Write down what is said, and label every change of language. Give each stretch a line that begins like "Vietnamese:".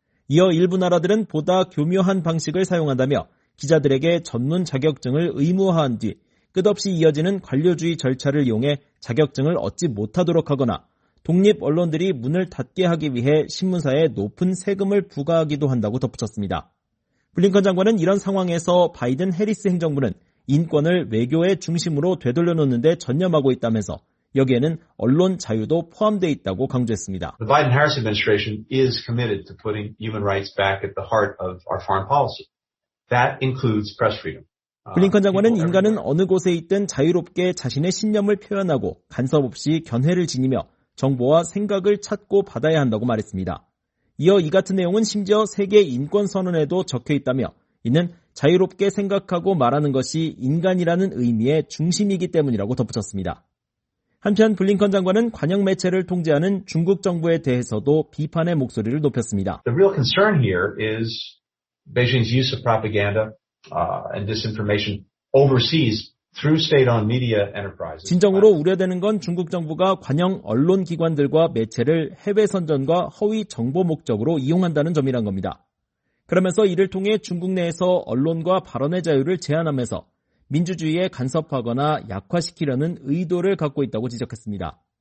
Korean: 이어 일부 나라들은 보다 교묘한 방식을 사용한다며 기자들에게 전문 자격증을 의무화한 뒤 끝없이 이어지는 관료주의 절차를 이용해 자격증을 얻지 못하도록 하거나 독립 언론들이 문을 닫게 하기 위해 신문사에 높은 세금을 부과하기도 한다고 덧붙였습니다. 블링컨 장관은 이런 상황에서 바이든 해리스 행정부는 인권을 외교의 중심으로 되돌려놓는 데 전념하고 있다면서 여기에는 언론 자유도 포함되어 있다고 강조했습니다.
English: The Biden-Harris administration is committed to putting human rights back at the heart of our foreign policy. That includes press freedom.
Korean: 블링컨 장관은 인간은 어느 곳에 있든 자유롭게 자신의 신념을 표현하고 간섭 없이 견해를 지니며 정보와 생각을 찾고 받아야 한다고 말했습니다. 이어 이 같은 내용은 심지어 세계인권선언에도 적혀 있다며 이는 자유롭게 생각하고 말하는 것이 인간이라는 의미의 중심이기 때문이라고 덧붙였습니다. 한편 블링컨 장관은 관영 매체를 통제하는 중국 정부에 대해서도 비판의 목소리를 높였습니다.
English: The real concern here is Beijing's use of propaganda and disinformation overseas.
Korean: 진정으로 우려되는 건 중국 정부가 관영 언론 기관들과 매체를 해외 선전과 허위 정보 목적으로 이용한다는 점이란 겁니다. 그러면서 이를 통해 중국 내에서 언론과 발언의 자유를 제한하면서 민주주의에 간섭하거나 약화시키려는 의도를 갖고 있다고 지적했습니다.